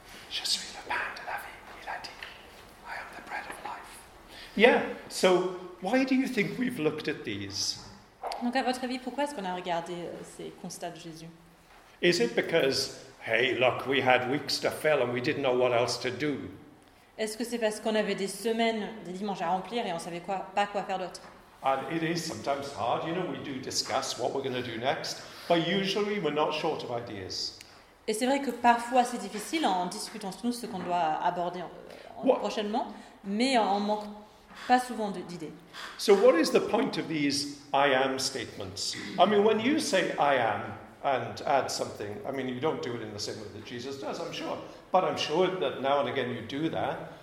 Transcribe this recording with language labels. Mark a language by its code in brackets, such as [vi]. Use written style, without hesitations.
[fr] Je suis le pain de la vie, il a dit. [en] I am the bread of life. Yeah, so why do you think we've looked at these? [fr] Donc à votre avis, pourquoi est-ce qu'on a regardé ces constats de Jésus? [en] Is it because, hey, look, we had weeks to fill and we didn't know what else to do? [fr] Est-ce que c'est parce qu'on avait des semaines, des dimanches à remplir et on savait quoi, pas quoi faire d'autre? [en] And it is sometimes hard, you know, we do discuss what we're going to do next, but usually we're not short of ideas. [fr] Et c'est vrai que parfois c'est difficile en discutant entre nous ce qu'on doit aborder prochainement, mais on manque pas souvent d'idées. [en] So what is the point of these I am statements? I mean, when you say I am and add something, I mean, you don't do it in the same way that Jesus does, I'm sure. But I'm sure that now and again you do that.